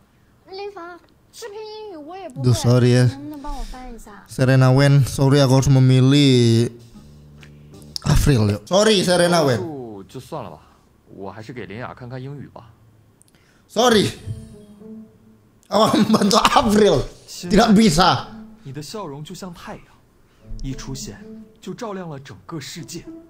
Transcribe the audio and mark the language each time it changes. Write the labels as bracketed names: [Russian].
[Chinese] 这道数学题我不会，你能帮我看一下吗？林凡，视频英语我也不会。 [English] Duh, sorry ya. Yeah. [Chinese] 能不能帮我翻一下 [Indonesian] ？Serena Wen, sorry, aku harus memilih April. [English] Sorry, Serena Wen. [Chinese] 就算了吧，我还是给林雅看看英语吧。 [Indonesian] Sorry, aku membantu April. Tidak bisa. [Chinese] 你的笑容就像太阳，一出现就照亮了整个世界。